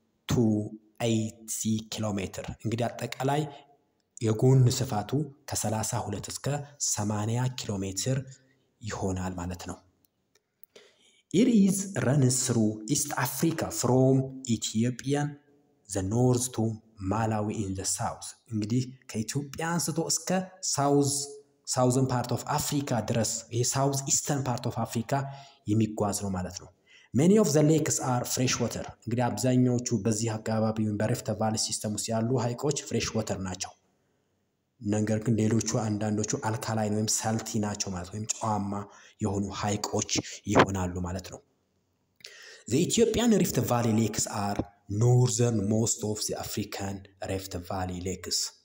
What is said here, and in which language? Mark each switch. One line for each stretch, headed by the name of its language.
English: to 80
Amharic: ኪሎ ሜትር። እንግዲህ አጠቃላይ የጎን ስፋቱ ከ32 እስከ 80 ኪሎ ሜትር ይሆናል ማለት ነው።
English: It is runs through East Africa from Ethiopia the north to Malawi in the south.
Amharic: እንግዲህ ከኢትዮጵያ አንስቶ እስከ
English: southern part of Africa
Amharic: ድረስ የsouth eastern part of Africa የሚጓዝ ነው ማለት ነው።
English: Many of the lakes are fresh water.
Amharic: እንግዲህ አብዛኞቹ በዚህ አካባቢ ወይም በRift Valley system ውስጥ ያሉ ሐይቆች fresh water ናቸው። ነገር ግን ሌሎቹ አንዳንዶቹ alkaline ወይም salty ናቸው ማለት ወይም ጨዋማ የሆኑ ሐይቆች ይሆናሉ ማለት ነው።
English: The Ethiopian Rift Valley lakes are northern most of the African Rift Valley lakes.